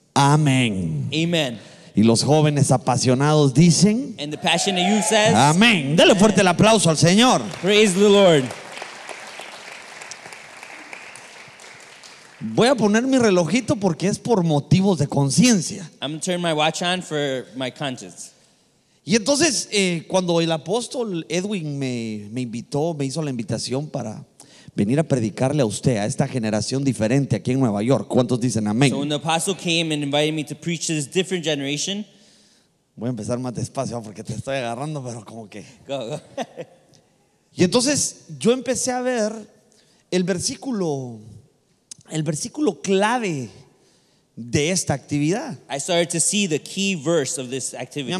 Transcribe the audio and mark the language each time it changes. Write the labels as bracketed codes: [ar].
[es] Amén. [en] Amen. [es] Y los jóvenes apasionados dicen. [en] And the passionate youth says. [es] Amén. Dale fuerte el aplauso al Señor. [en] Praise the Lord. [es] Voy a poner mi relojito porque es por motivos de conciencia. [en] I'm going to turn my watch on for my conscience. [es] Y entonces, cuando el apóstol Edwin me invitó, me hizo la invitación para venir a predicarle a usted, a esta generación diferente aquí en Nueva York. ¿Cuántos dicen amén? [en] So when the apostle came and invited me to preach to this different generation. [es] Voy a empezar más despacio porque te estoy agarrando, pero como que. [en] Go, go. [es] Y entonces, yo empecé a ver el versículo clave de esta actividad. [en] I started to see the key verse of this activity.